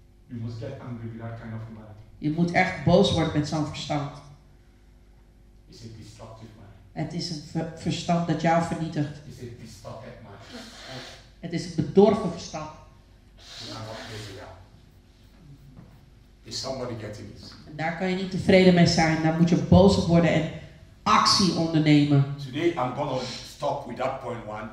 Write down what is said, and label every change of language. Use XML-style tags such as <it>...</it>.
<en>You must get angry with that kind of mind.</en> <nl>Je moet echt boos worden met zo'n verstand.</nl> <en>It's a destructive mind.</en> <nl>Het is een verstand dat jou vernietigt.</nl> <en>It's a destructive mind.</en> <nl>Het is een bedorven verstand.</nl> <en>Is somebody getting this?</en> <nl>Daar kan je niet tevreden mee zijn. Daar moet je boos op worden en actie ondernemen.</nl> <en>Today I'm gonna stop with that point one.</en>